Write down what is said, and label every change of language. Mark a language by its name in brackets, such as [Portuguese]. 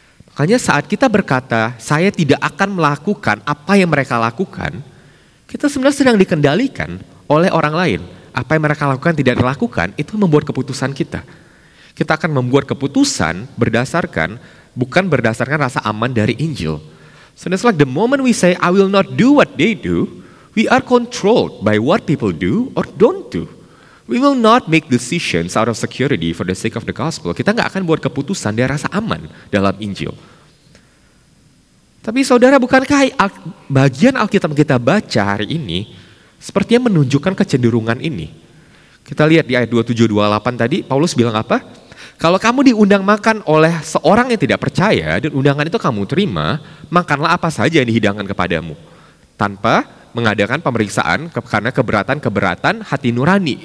[Indonesian] Makanya saat kita berkata, saya tidak akan melakukan apa yang mereka lakukan, kita sebenarnya sedang dikendalikan oleh orang lain. Apa yang mereka lakukan tidak dilakukan, itu membuat keputusan kita. Kita akan membuat keputusan berdasarkan, bukan berdasarkan rasa aman dari Injil. [English] So it's like the moment we say, I will not do what they do, we are controlled by what people do or don't do. We will not make decisions out of security for the sake of the gospel. [Indonesian] Kita gak akan buat keputusan dari rasa aman dalam Injil. Tapi saudara, bukankah bagian Alkitab kita baca hari ini sepertinya menunjukkan kecenderungan ini? Kita lihat di ayat 27-28 tadi, Paulus bilang apa? Kalau kamu diundang makan oleh seorang yang tidak percaya dan undangan itu kamu terima, makanlah apa saja yang dihidangkan kepadamu tanpa mengadakan pemeriksaan karena keberatan-keberatan hati nurani.